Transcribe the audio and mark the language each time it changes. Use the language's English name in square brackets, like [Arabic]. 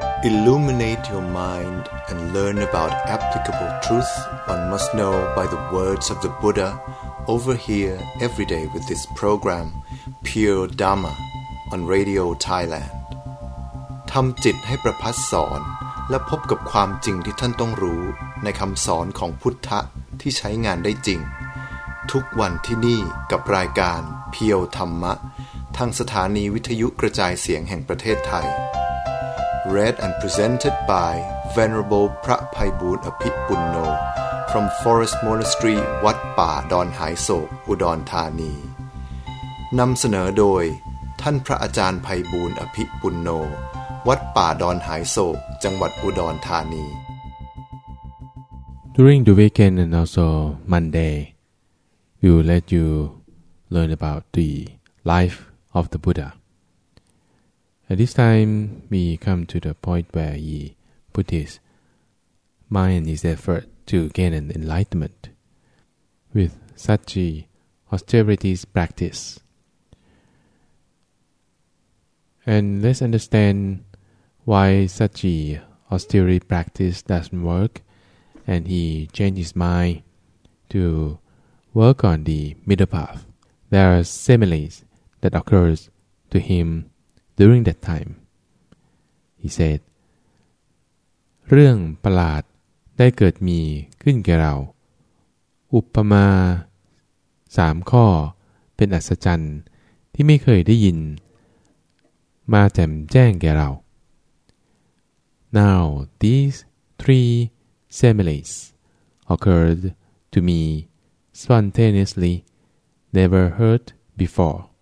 [English] Illuminate your mind and learn about applicable truth one must know by the words of the Buddha over here every day with this program, Pure Dharma, on Radio Thailand. [Thai] ทำจิตให้ประพัสสอนและพบกับความจริงที่ท่านต้องรู้ในคำสอนของพุทธะที่ใช้งานได้จริงทุกวันที่นี่กับรายการเพียวธรรมะทางสถานีวิทยุกระจายเสียงแห่งประเทศไทย [English] Read and presented by Venerable พระไพบูลย์อภิปุณโญ from Forest Monastery วัดป่าดอนหายโศกอุดรธานี [Thai] นำเสนอโดยท่านพระอาจารย์ไพบูลย์อภิปุณโญวัดป่าดอนหายโศกจังหวัดอุดรธานี [English] During the weekend and also MondayWe will let you learn about the life of the Buddha. At this time, we come to the point where he put his mind, his effort to gain an enlightenment. With such an austerity practice, and let's understand why such an austerity practice doesn't work, and he changed his mind to. Work on the middle path. There are similes that occurs to him during that time. He said, [Thai] เรื่องประหลาดได้เกิดมีขึ้นแก่เราอุปมาสามข้อเป็นอัศจรรย์ที่ไม่เคยได้ยินมาแจ่มแจ้งแก่เรา [English] Now these three similes occurred to meSpontaneously, never heard before.